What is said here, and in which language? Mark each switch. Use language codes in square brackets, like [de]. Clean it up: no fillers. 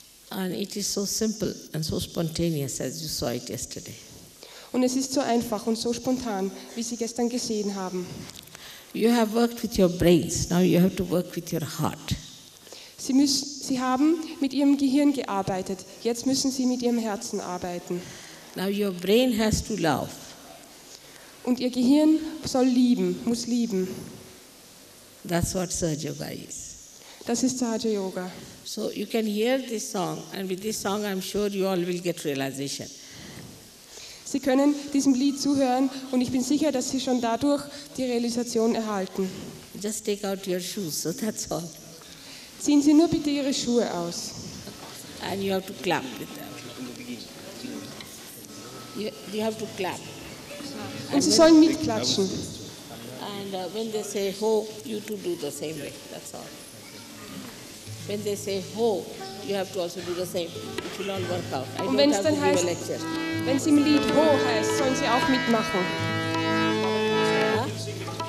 [en] And it is so simple and so spontaneous as you saw it yesterday. [de] Und es ist so einfach und so spontan, wie Sie gestern gesehen haben. [en] You have worked with your brains, now you have to work with your heart. [de] Sie haben mit Ihrem Gehirn gearbeitet. Jetzt müssen Sie mit Ihrem Herzen arbeiten. [en] Now your brain has to love. [de] Und Ihr Gehirn soll lieben, muss lieben. [en] That's what Sahaja Yoga is. [de] Das ist Sahaja Yoga. [en] So you can hear this song, and with this song I'm sure you all will get realization. [de] Sie können diesem Lied zuhören, und ich bin sicher, dass Sie schon dadurch die Realisation erhalten. [en] Just take out your shoes, so that's all. [de] Ziehen Sie nur bitte Ihre Schuhe aus. [en] And you have to clap. You have to clap. [de] Und Sie sollen mitklatschen. [en] And when they say ho, you too do the same way. That's all. When they say ho, you have to also do the same. It will all work out. I [de] Und wenn es dann heißt, wenn es im Lied ho heißt, sollen Sie auch mitmachen. Ja?